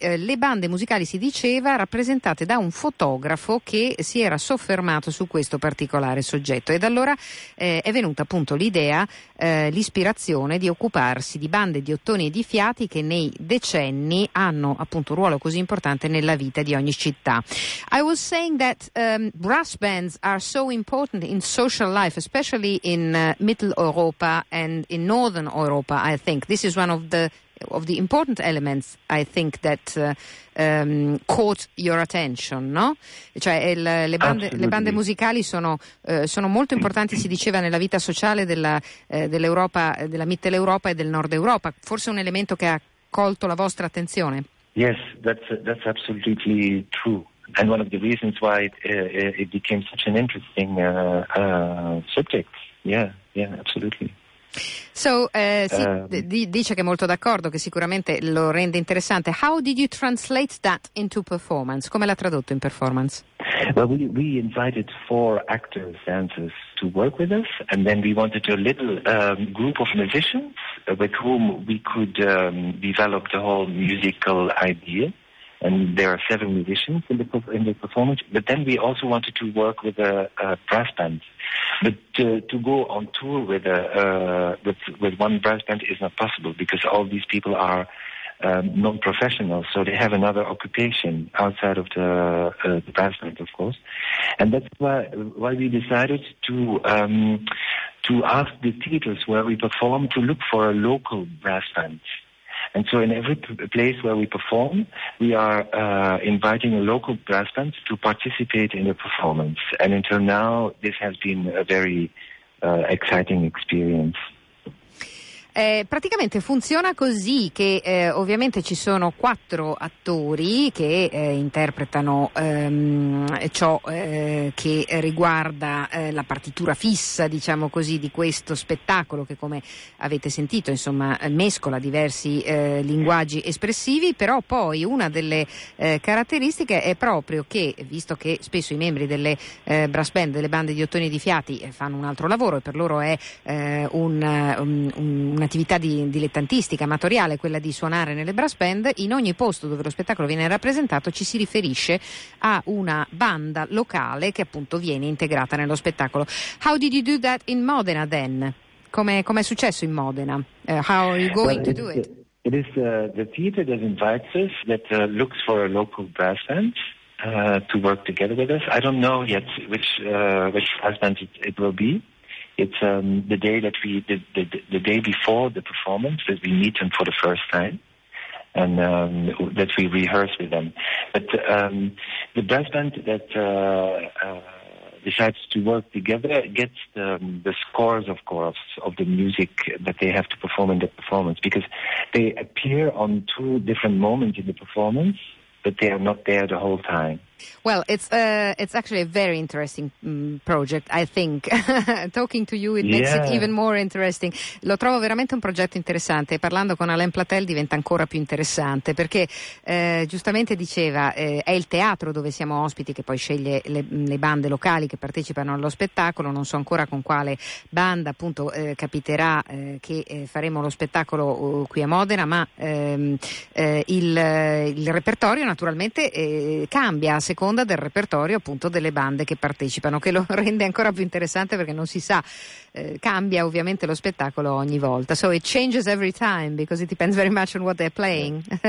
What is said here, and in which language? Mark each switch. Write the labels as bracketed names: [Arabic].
[Italian] Le bande musicali, si diceva, rappresentate da un fotografo che si era soffermato su questo particolare soggetto, ed allora è venuta appunto l'idea, l'ispirazione di occuparsi di bande di ottoni e di fiati che nei decenni hanno appunto un ruolo così importante nella vita di ogni città. [English] I was saying that brass bands are so important in social life, especially in Middle Europa and in Northern Europa. I think this is one of the important elements, I think, that caught your attention, no? [Italian] Cioè le bande musicali sono molto importanti, si diceva, nella vita sociale dell'Europa, della Mitteleuropa e del Nord Europa. Forse un elemento che ha colto la vostra attenzione. [English] Yes, that's absolutely true. And one of the reasons why it became such an interesting subject. Yeah, absolutely. [Italian] So, dice che è molto d'accordo, che sicuramente lo rende interessante. [English] How did you translate that into performance? [Italian] Come l'ha tradotto in performance? [English] Well, we invited four actors, dancers, to work with us, and then we wanted a little group of musicians with whom we could develop the whole musical idea. And there are seven musicians in the performance. But then we also wanted to work with a brass band. But to go on tour with one brass band is not possible, because all these people are non-professionals, so they have another occupation outside of the brass band, of course. And that's why we decided to ask the theaters where we perform to look for a local brass band. And so in every place where we perform, we are inviting a local brass band to participate in the performance. And until now, this has been a very exciting experience. [Italian] Praticamente funziona così, che ovviamente ci sono quattro attori che interpretano ciò che riguarda la partitura fissa, diciamo così, di questo spettacolo, che, come avete sentito, insomma, mescola diversi linguaggi espressivi. Però poi una delle caratteristiche è proprio che, visto che spesso i membri delle brass band, delle bande di ottoni e di fiati, fanno un altro lavoro, e per loro è un'attività dilettantistica, amatoriale, quella di suonare nelle brass band, in ogni posto dove lo spettacolo viene rappresentato ci si riferisce a una banda locale che appunto viene integrata nello spettacolo. [English] How did you do that in Modena then? [Italian] Come è successo in Modena? [English] How are you going to do it? It is the theater that invites us, that looks for a local brass band to work together with us. I don't know yet which brass band it will be. It's the day that we did the day before the performance, that we meet them for the first time, and that we rehearse with them. But the brass band that decides to work together gets the scores, of course, of the music that they have to perform in the performance, because they appear on two different moments in the performance, but they are not there the whole time. Well, it's actually a very interesting project, I think. Talking to you, it makes it even more interesting. [Italian] Lo trovo veramente un progetto interessante. Parlando con Alain Platel diventa ancora più interessante, perché giustamente diceva è il teatro dove siamo ospiti che poi sceglie le bande locali che partecipano allo spettacolo. Non so ancora con quale banda appunto capiterà che faremo lo spettacolo qui a Modena, ma il repertorio naturalmente cambia a seconda del repertorio appunto delle bande che partecipano, che lo rende ancora più interessante, perché non si sa, cambia ovviamente lo spettacolo ogni volta. [English] So it changes every time because it depends very much on what they're playing.